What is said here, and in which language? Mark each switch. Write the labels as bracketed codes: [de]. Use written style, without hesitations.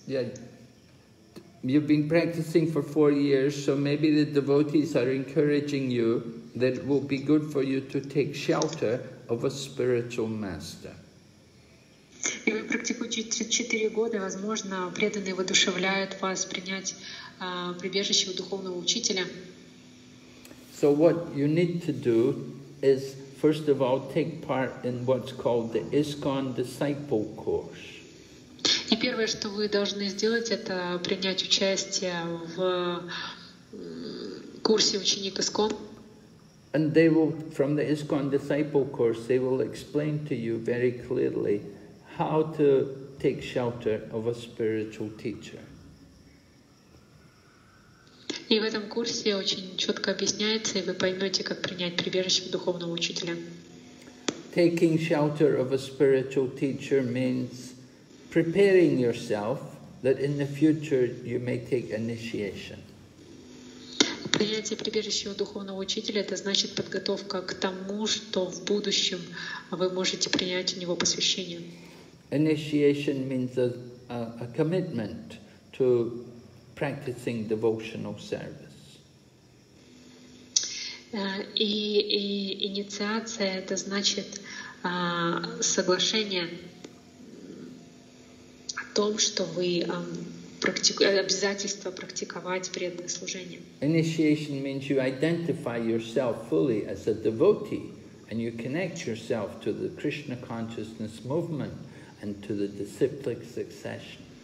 [en] Yeah, you've been practicing for 4 years, so maybe the devotees are encouraging you that it will be good for you to take shelter of a spiritual master. [ru] И вы практикуете 4 года, возможно, преданные воодушевляют вас принять прибежище у духовного учителя. [en] So what you need to do is, first of all, take part in what's called the ISKCON Disciple Course. [ru] И первое, что вы должны сделать, это принять участие в курсе ученик ISKCON. [en] And they will, from the ISKCON Disciple Course, they will explain to you very clearly how to take shelter of a spiritual teacher. [ru] И в этом курсе очень четко объясняется, и вы поймете, как принять прибежище духовного учителя. [en] Taking shelter of a spiritual teacher means preparing yourself that in the future you may take initiation. [ru] Принятие прибежища у духовного учителя — это значит подготовка к тому, что в будущем вы можете принять у него посвящение. [en] Initiation means a commitment to practicing devotional service. [ru] И инициация — это значит соглашение о том, что вы обязательство практиковать преданное служение. [en] Initiation means you identify yourself fully as a devotee and you connect yourself to the Krishna consciousness movement and to the disciplic succession.